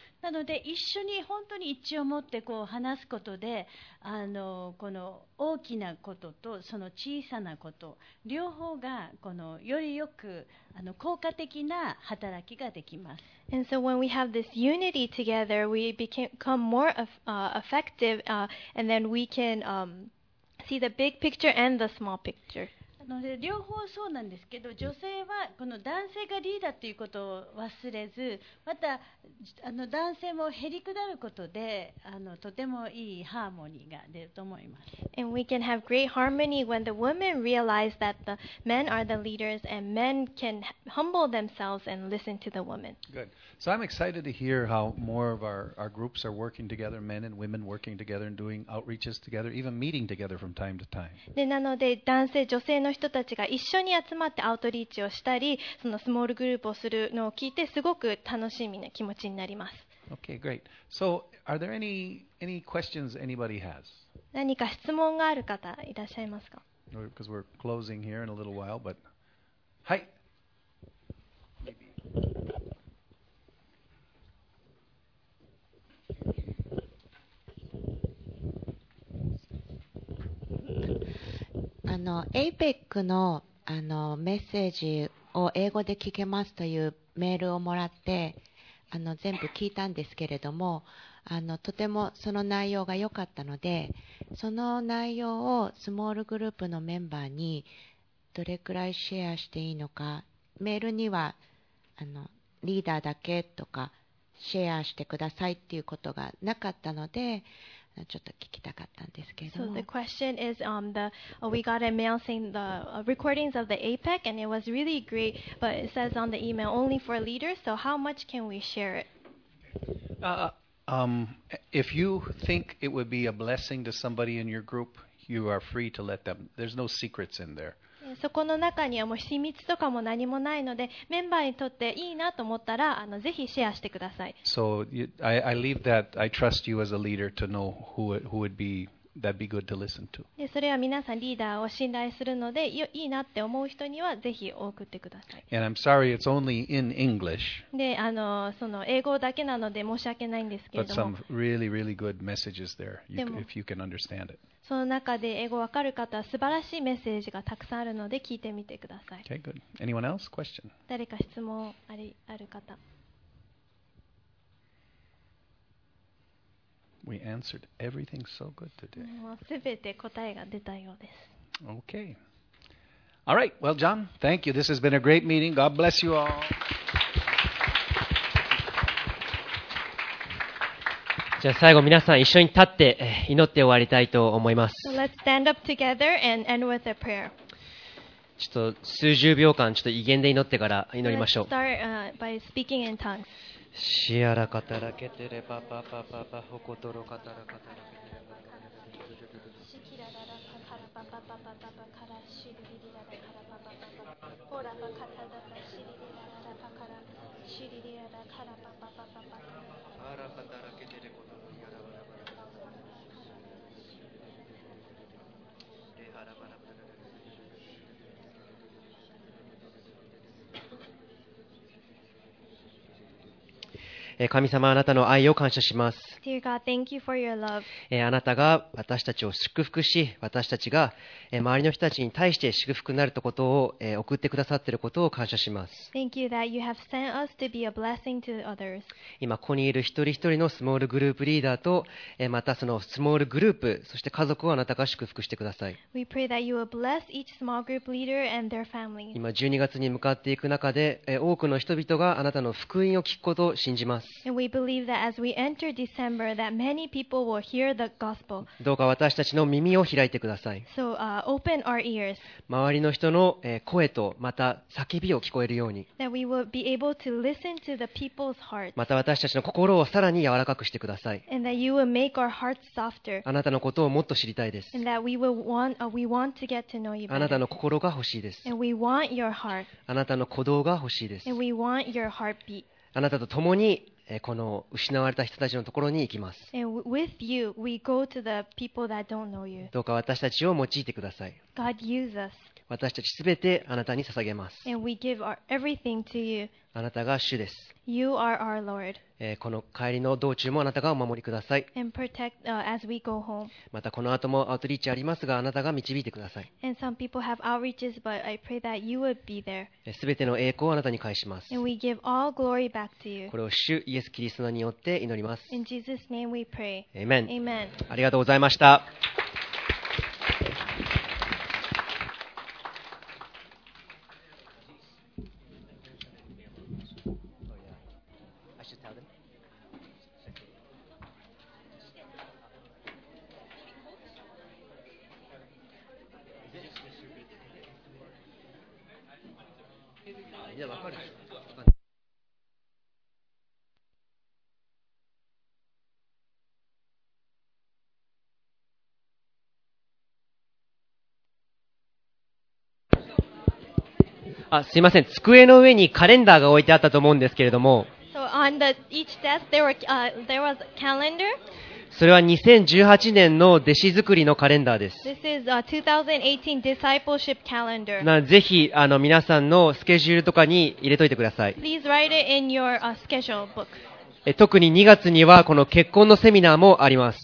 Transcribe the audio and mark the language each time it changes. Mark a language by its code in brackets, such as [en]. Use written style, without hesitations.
[ja] なので一緒に本当に一致を持ってこう話すことでこの大きなこととその小さなこと両方がこのよりよく効果的な働きができます。 [en] And so when we have this unity together, we become more effective, and then we can see the big picture and the small picture. [ja] ので両方そうなんですけど、女性はこの男性がリーダーということを忘れず、またあの男性もへりくだることで、あのとてもいいハーモニーが出ると思います。 [en] And we can have great harmony when the women realize that the men are the leaders and men can humble themselves and listen to the women. Good. So I'm excited to hear how more of our groups are working together, men and women working together and doing outreaches together, even meeting together from time to time. [ja] でなので男性女性の人たちが一緒に集まってアウトリーチをしたり、そのスモールグループをするのを聞いてすごく楽しみな気持ちになります。 [en] Okay, great. So, are there any questions anybody has? [ja] 何か質問がある方いらっしゃいますか? [en] Because we're closing here in a little while, but はい。 [ja] APEC の、 メッセージを英語で聞けますというメールをもらって全部聞いたんですけれども、とてもその内容が良かったので、その内容をスモールグループのメンバーにどれくらいシェアしていいのか、メールにはリーダーだけとかシェアしてくださいっていうことがなかったので、ちょっと聞きたかったんですけど。 [en] So the question is, we got a mail saying the recordings of the APEC and it was really great, but it says on the email only for leaders. So how much can we share it? If you think it would be a blessing to somebody in your group, you are free to let them. There's no secrets in there. [ja] そこの中にはもう秘密とかも何もないので、メンバーにとっていいなと思ったらぜひシェアしてください。 [en] So I leave that. I trust you as a leader to know who would be that'd be good to listen to. [ja] で、それは皆さんリーダーを信頼するのでいいなって思う人にはぜひ送ってください。 [en] And I'm sorry it's only in English. [ja] で、その英語だけなので申し訳ないんですけれども。 [en] But some really really good messages there. If you can understand it. [ja] その中で英語わかる方は素晴らしいメッセージがたくさんあるので聞いてみてください。 [en] Okay, good. Anyone else? Question. [ja] 誰か質問ある方。 [en] We answered everything so good today. [ja] もうすべて答えが出たようです。 [en] Okay. All right. Well, John, thank you. This has been a great meeting. God bless you all. [ja] じゃあ最後皆さん一緒に立って祈って終わりたいと思います。 [en] So、let's stand up together and end with a prayer. [ja] ちょっと数十秒間ちょっと異言で祈ってから祈りましょう。 [en] So、let's start, by speaking in tongues. シアラカタラケテレパパパパパホコトロカタラカタラケテレパパパパシキララカタラパパパパパパカラシリリリララカラパパパパホラパカタラパシリリララパカラシリリララカラパパパパパパラパタラケテレコトロヤラバラバラレハラバラバラバラ Dear God, thank you for your love. Dear God, thank you for your love. [ja] あなたが私たちを祝福し、私たちが周りの人たちに対して祝福になるということを送ってくださっていることを感謝します。 [en] Thank you that you have sent us to be a blessing to others. [ja] 今ここにいる一人一人のスモールグループリーダーと、またそのスモールグループ、そして家族をあなたが祝福してください。 [en] We pray that you will bless each small group leader and their families. [ja] 今12月に向かっていく中で、多くの人々があなたの福音を聞くことを信じます。 [en] And we believe that as we enter December, that many people will hear the gospel. [ja] どうか私たちの耳を開いてください。 [en] So, open our ears. [ja] 周りの人の声とまた叫びを聞こえるように。 [en] That we will be able to listen to the people's hearts. [ja] また私たちの心をさらに柔らかくしてください。 [en] And that you will make our hearts softer. [ja] あなたのことをもっと知りたいです。 [en] And that we want to get to know you better. [ja] あなたの心が欲しいです。 [en] And we want your heart. [ja] あなたの鼓動が欲しいです。 [en] And we want your heartbeat. [ja] あなたと共にこの失われた人たちのところに行きます。どうか私たちを用いてください。 [en] God use us. [ja] 私たちすべてあなたに捧げます。 [en] And we give everything to you. [ja] あなたが主です。 [en] You are our Lord. [ja] この帰りの道中もあなたがお守りください。 [en] And protect, as we go home. [ja] またこの後もアウトリーチありますがあなたが導いてください。 [en] And some people have outreaches, but I pray that you would be there. [ja] すべての栄光をあなたに返します。 [en] And we give all glory back to you. [ja] これを主イエスキリストによって祈ります。 [en] In Jesus' name we pray. Amen. Amen. [ja] ありがとうございました。いや、わかるでしょ。あ、すいません。机の上にカレンダーが置いてあったと思うんですけれども。 [en] So on the, each desk, there were, there was a calendar. [ja] それは2018年の弟子作りのカレンダーです。 [en] This is a 2018 discipleship calendar. [ja] ぜひ、皆さんのスケジュールとかに入れといてください。 [en] Please write it in your, schedule book. [ja] 特に2月にはこの結婚のセミナーもあります。